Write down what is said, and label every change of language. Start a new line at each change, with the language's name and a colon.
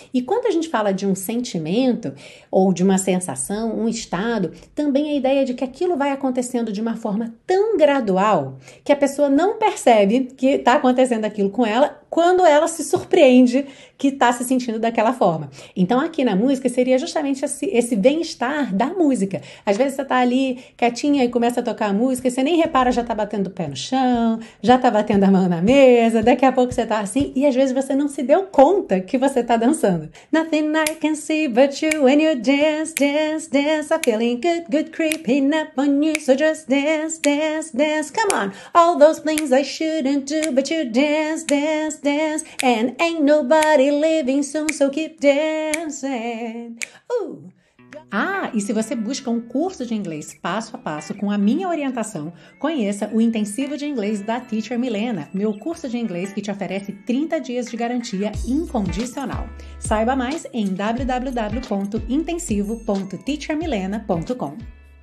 Portuguese: E quando a gente fala de um sentimento, ou de uma sensação, um estado, também a ideia de que aquilo vai acontecendo de uma forma tão gradual, que a pessoa não percebe que está acontecendo aquilo com ela, quando ela se surpreende que está se sentindo daquela forma. Então, aqui na música, seria justamente esse bem-estar da música. Às vezes, você está ali, quietinha, e começa a tocar a música, e você nem repara, já está batendo o pé no chão, já está batendo a mão na mesa, daqui a pouco você está assim, e às vezes você não se deu conta que você está dançando.
English: Nothing I can see but you when you dance, dance, dance. I'm feeling good, good, creeping up on you. So just dance, dance, dance. Come on, all those things I shouldn't do, but you dance, dance. Dance, and ain't nobody living soon, so keep dancing.
Portuguese: Ah, e se você busca um curso de inglês passo a passo com a minha orientação, conheça o Intensivo de Inglês da Teacher Milena, meu curso de inglês que te oferece 30 dias de garantia incondicional. Saiba mais em www.intensivo.teachermilena.com.